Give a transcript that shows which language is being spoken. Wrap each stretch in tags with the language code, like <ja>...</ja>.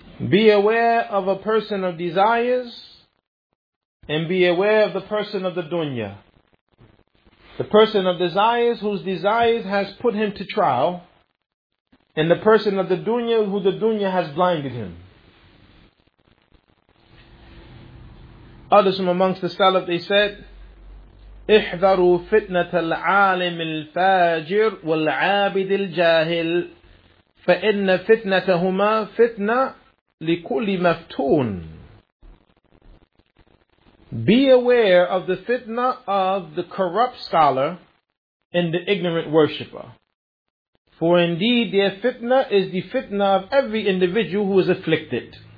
<en>Be aware of a person of desires and be aware of the person of the dunya. The person of desires whose desires has put him to trial, and the person of the dunya who the dunya has blinded him. Others from amongst the Salaf, they said,</en> <ar>احذروا فتنة العالم الفاجر والعابد الجاهل فإن فتنتهما فتنة لكل مفتون.</ar> <en>Be aware of the fitna of the corrupt scholar and the ignorant worshipper. For indeed their fitna is the fitna of every individual who is afflicted.</en>